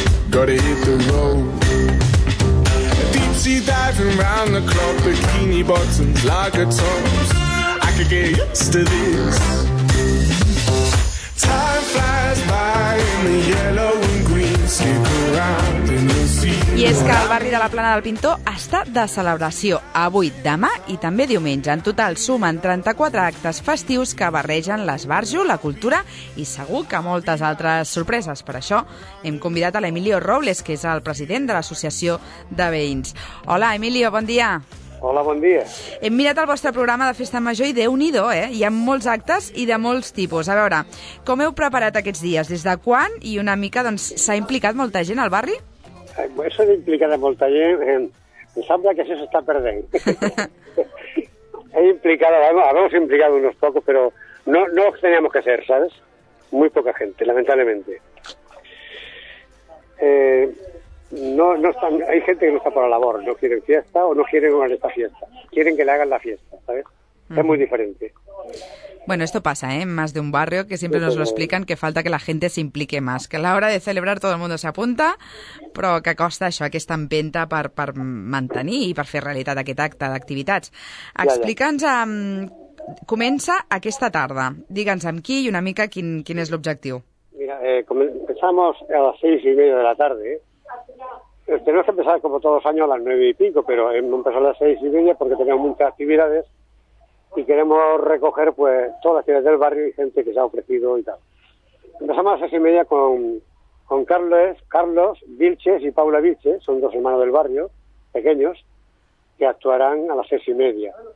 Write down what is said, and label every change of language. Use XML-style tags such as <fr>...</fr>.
<en>Gotta hit the road. Deep sea diving round the clock, bikini bottoms, lager tops. I could get used to this. Time flies by in the yellow and green. Stick around and you'll see.</en> <ca>I és que el barri de la Plana del Pintor està de celebració avui, demà i també diumenge. En total sumen 34 actes festius que barregen l'esbarjo, la cultura i segur que moltes altres sorpreses. Per això hem convidat a l'Emilio Robles, que és el president de l'Associació de Veïns. Hola, Emilio, bon dia. Hola, bon dia. Hem mirat el vostre programa de Festa Major i déu-n'hi-do, eh? Hi ha molts actes i de molts tipus. A veure, com heu preparat aquests dies? Des de quan? I una mica, doncs, s'ha implicat molta gent al barri? Això d'implicar de molta gent, em sembla que això s'està perdent. He implicat,</ca> <es>hemos implicado unos pocos, pero no teníamos que ser, ¿sabes? Muy poca gente, lamentablemente. Hay gente que no está por la labor, no quieren fiesta o no quieren ganar esta fiesta. Quieren que le hagan la fiesta, ¿sabes? Mm. Es muy diferente. Bueno, esto pasa, ¿eh? Más de un barrio que siempre nos lo explican, que falta que la gente se implique más. Que a la hora de celebrar todo el mundo se apunta,</es> <ca>però que costa això, aquesta empenta per mantenir i per fer realitat aquest acte d'activitats. Explica'ns, comença aquesta tarda. Digue'ns amb qui i una mica quin és l'objectiu.</ca> <es>Mira, comenzamos a las 6:30 de la tarde. Tenemos que empezar como todos los años a las 9:30, pero hemos empezado a las 6:30 porque tenemos muchas actividades. Y queremos recoger pues todas las ciudades del barrio y gente que se ha ofrecido y tal. Empezamos a las 6:30 con Carlos Vilches y Paula Vilches, son dos hermanos del barrio, pequeños, que actuarán a las 6:30.</es>